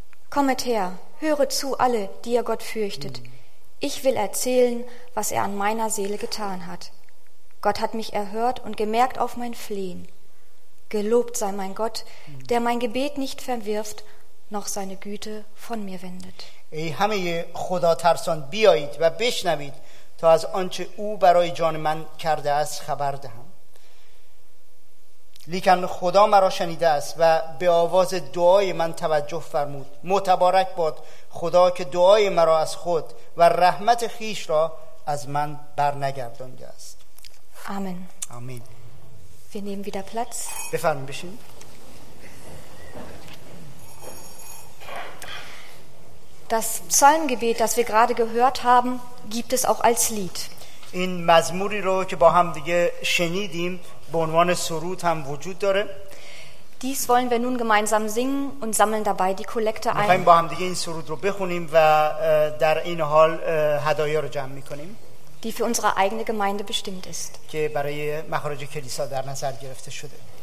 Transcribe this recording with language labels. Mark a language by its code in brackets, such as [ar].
[de] Kommt her, höre zu alle, die ihr Gott fürchtet. Ich will erzählen, was er an meiner Seele getan hat. Gott hat mich erhört und gemerkt auf mein Flehen. Gelobt sei mein Gott, der mein Gebet nicht verwirft, noch seine Güte von mir wendet. [fa] Ey همه خدا ترسان بیایید و بشنوید تا از آنچه او برای جان من کرده است خبر دهم. لیکن خدا مرا شنیده است و به آواز دعای من توجه فرمود. متبارک باد خدا که دعای مرا از خود و رحمت خیش را از من برنگردانده است. [de] Amen. Amen. Wir nehmen wieder Platz. Wir fahren ein bisschen. Das Psalmgebet, das wir gerade gehört haben, gibt es auch als Lied. [fa] این مزموری رو که با هم دیگه شنیدیم به عنوان سرود هم وجود داره. [de] Dies wollen wir nun gemeinsam singen und sammeln dabei die Kollekte ein. [fa] می‌خوایم با هم دیگه این سرود رو بخونیم و در این حال هدایا رو جمع می‌کنیم. [de] Die für unsere eigene Gemeinde bestimmt ist. [fa] که برای مخارج کلیسا در نظر گرفته شده.